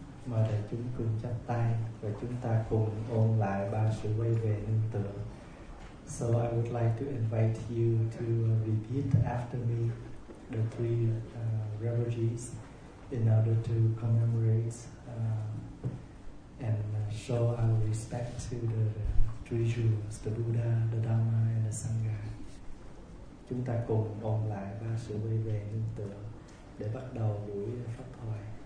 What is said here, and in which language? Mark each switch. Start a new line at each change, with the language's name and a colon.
Vietnamese: Mời đại chúng cùng chắp tay và chúng ta cùng ôn lại ba sự quay về nương tựa.
English: So I would like to invite you to repeat after me the three reveries in order to commemorate and show our respect to the three jewels, the Buddha, the Dhamma, and the Sangha.
Vietnamese: Chúng ta cùng ôn lại ba sự quay về nương tựa để bắt đầu buổi pháp thoại.